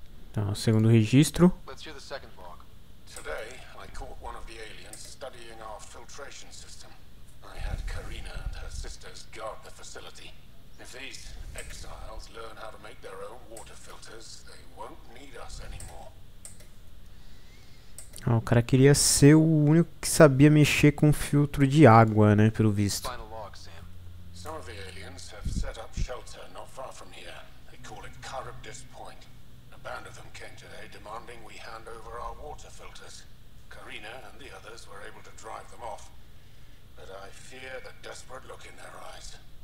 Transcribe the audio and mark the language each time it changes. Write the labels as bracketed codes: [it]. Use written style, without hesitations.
[pt] Então, segundo registro. [en] Let's hear the second log. Today, I caught one of the aliens studying our filtration system. I had Karina and her sisters guard the facility. If these exiles learn how to make their own water filters, they won't need us anymore. [pt] Ah, o cara queria ser o único que sabia mexer com filtro de água, né, pelo visto. [en] Some of the aliens have set up shelter not far from here. They call it Charybdis Point. A band of them came today demanding we hand over our water filters. Karina and the others were able to drive them off. But I fear the desperate look in their eyes.